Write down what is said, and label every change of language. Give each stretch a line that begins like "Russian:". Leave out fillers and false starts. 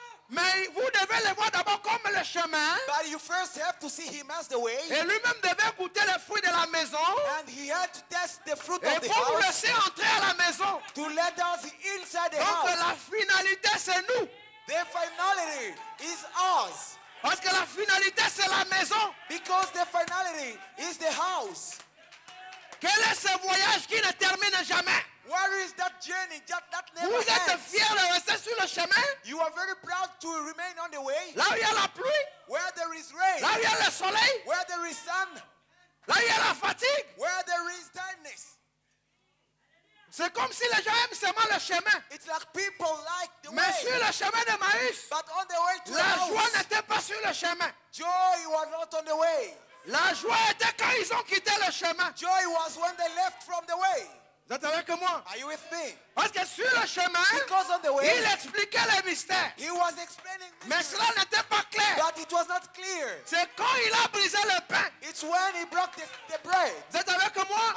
French: Mais vous devez le voir d'abord comme le chemin.
English: But you first have to see him as the way.
French: Et lui-même devait goûter le fruit de la maison.
English: And he had to test the fruit
French: et
English: of the
French: pour
English: house.
French: Vous laisser entrer à la maison.
English: To let us inside the
French: donc
English: house.
French: La finalité, c'est nous.
English: The finality is us.
French: Parce que la finalité c'est la maison.
English: Because the finality is the house.
French: Quel est ce voyage qui ne termine jamais?
English: Where is that journey that never
French: vous êtes
English: ends?
French: Fiers de rester sur le chemin?
English: You are very proud to remain on the way.
French: Là où il y a la pluie?
English: Where there is rain.
French: Là où il y a le soleil?
English: Where there is sun.
French: Là où il y a la fatigue?
English: Where there is tiredness.
French: C'est comme si les gens aiment seulement le chemin.
English: It's like people like the
French: mais
English: way.
French: Sur le chemin de Maïs,
English: but on the way to
French: la
English: the
French: joie
English: house,
French: n'était pas sur le chemin.
English: Joy was not on the way.
French: La joie était quand ils ont quitté le chemin.
English: Joy was when they left from the way.
French: Vous êtes avec moi?
English: Are you with me?
French: Parce que sur le chemin,
English: because on the way,
French: il expliquait les mystères.
English: He was explaining
French: mystery, mais cela n'était pas clair.
English: But it was not clear.
French: C'est quand il a brisé le pain.
English: It's when he broke the bread.
French: Vous êtes avec moi?